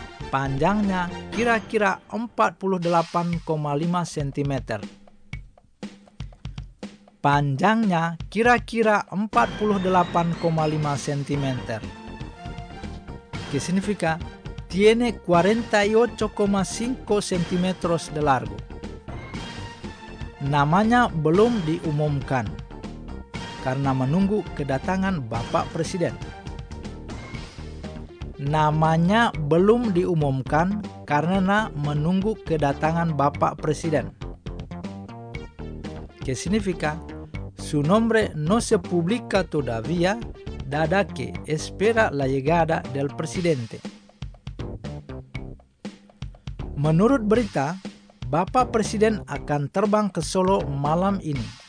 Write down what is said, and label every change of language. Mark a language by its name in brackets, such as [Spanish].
[Indonesian] Panjangnya kira-kira 48,5 cm. Panjangnya kira-kira 48,5 cm. [Spanish] Que significa tiene 48,5 centímetros de largo. [Indonesian] Namanya belum diumumkan karena menunggu kedatangan Bapak Presiden. Namanya belum diumumkan karena menunggu kedatangan Bapak Presiden. [Spanish] Que significa? Su nombre no se publica todavía, dada que espera la llegada del presidente. [Indonesian] Menurut berita, Bapak Presiden akan terbang ke Solo malam ini.